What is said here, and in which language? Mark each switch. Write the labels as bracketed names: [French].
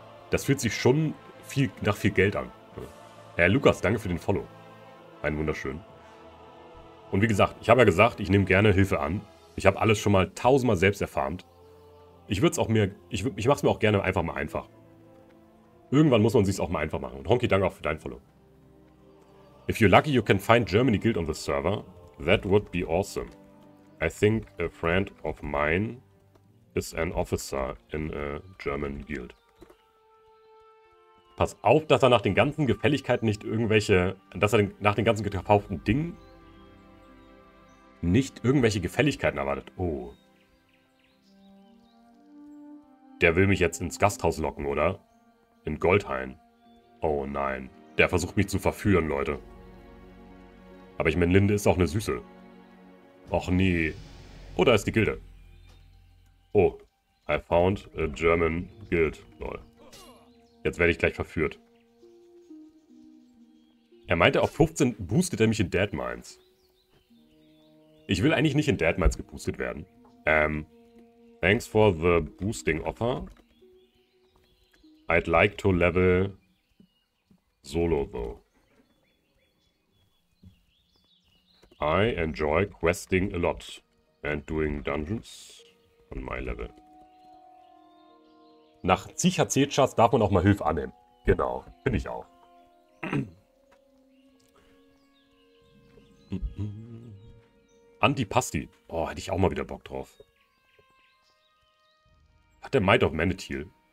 [German] Das fühlt sich schon viel, nach viel Geld an. Herr Lukas, danke für den Follow. Einen wunderschönen. Und wie gesagt, ich habe ja gesagt, ich nehme gerne Hilfe an. Ich habe alles schon mal 1000 Mal selbst erfarmt. Ich würde es auch mir, ich mache es mir auch gerne einfach mal einfach. Irgendwann muss man sich's auch mal einfach machen. Und Honky, danke auch für dein Follow. [English] If you're lucky, you can find Germany Guild on the server. That would be awesome. I think a friend of mine is an officer in a German Guild. [German] Pass auf, dass er nach den ganzen Gefälligkeiten nicht irgendwelche... Dass er nach den ganzen getauften Dingen nicht irgendwelche Gefälligkeiten erwartet. Oh. Der will mich jetzt ins Gasthaus locken, oder? In Goldhain. Oh nein. Der versucht mich zu verführen, Leute. Aber ich meine, Linde ist auch eine Süße. Och nee. Oh, da ist die Gilde. Oh. [English] I found a German guild. Lol. [German] Jetzt werde ich gleich verführt. Er meinte, auf 15 boostet er mich in Deadmines. Ich will eigentlich nicht in Deadmines geboostet werden. [English] Thanks for the boosting offer. I'd like to level solo though. I enjoy questing a lot and doing dungeons on my level. [German] Nach Zicher Zetschas darf man auch mal Hilfe annehmen. Genau, finde ich auch. Antipasti. Oh, hätte ich auch mal wieder Bock drauf. Hat der Might of Manitil?